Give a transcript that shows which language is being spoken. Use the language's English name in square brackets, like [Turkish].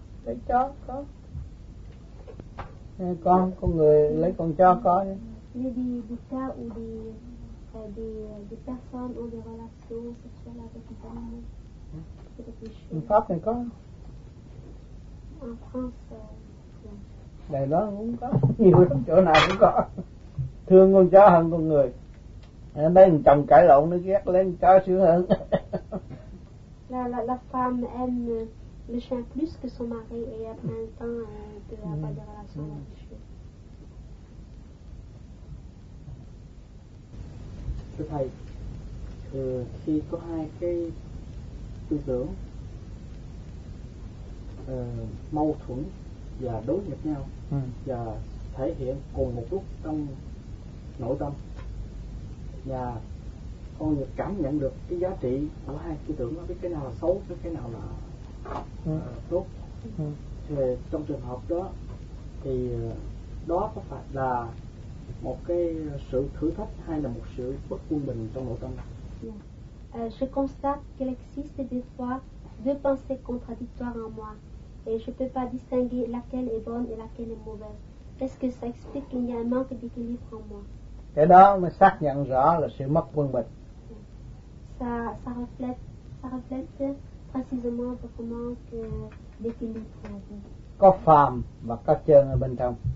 [Vietnamese] Lấy chó có. Con người lấy con chó có. [French] Il y a des cas où des personnes ont des relations sexuelles avec des animaux. [Vietnamese] En Pháp này có. [French] En France. [Vietnamese] Đài Loan cũng có, nhiều chỗ nào cũng có. Thương con chó hơn con người. Nên chồng cãi lộn nó ghét lên cho sướng hơn. [French] La femme aime le chien plus que son mari et après un temps de la pas de relation là. [Vietnamese] Thưa thầy, khi có hai cái tư tưởng mâu thuẫn và đối nghịch nhau và thể hiện cùng một lúc trong nội tâm, và con người cảm nhận được cái giá trị của hai tư tưởng đó, cái nào là xấu, cái nào là tốt, thì trong trường hợp đó thì đó có phải là một cái sự thử thách hay là một sự bất quân bình trong nội tâm? [French] Je constate qu'il existe des fois deux pensées contradictoires en moi et je ne peux pas distinguer laquelle est bonne et laquelle est mauvaise. Est-ce que ça explique qu'il y a un manque d'équilibre en moi? [Vietnamese] Cái đó mới xác nhận rõ là sự mất quân bình. [French] Ça reflète précisément le manque d'équilibre. [Vietnamese] Có phàm và có chân ở bên trong.